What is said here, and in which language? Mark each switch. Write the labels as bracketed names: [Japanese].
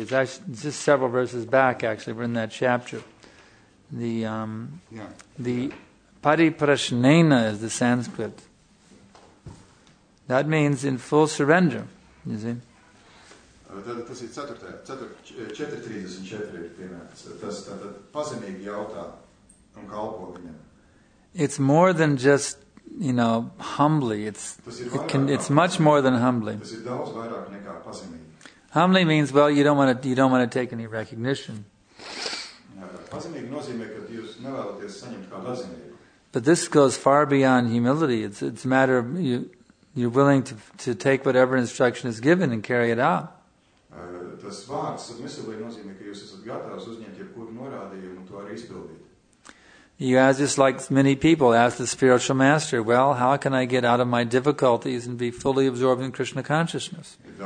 [English] It's actually just several verses back, actually. We're in that chapter. The pariprashnena is the Sanskrit. That means in full surrender, you see. [Latvian] Tas ir 4.34 piemērs. Tas pazemīgi jautā un kalpo viņam. [English] It's more than just, you know, humbly. It's much more than humbly. [Latvian] Tas ir daudz vairāk nekā pazemīgi. [English] Humbly means, well, you don't want to take any recognition. [Latvian] Pazemīgi nozīmē, ka jūs nevēlaties saņemt kādu atzinību. [English] But this goes far beyond humility. It's a matter of you're willing to take whatever instruction is given and carry it out. [Latvian] Tas vārds submissively nozīmē, ka jūs esat gatavs uzņemt jebkuru norādījumu un to arī izpildīt. [English] You ask, just like many people ask the spiritual master, well, how can I get out of my difficulties and be fully absorbed in Krishna consciousness?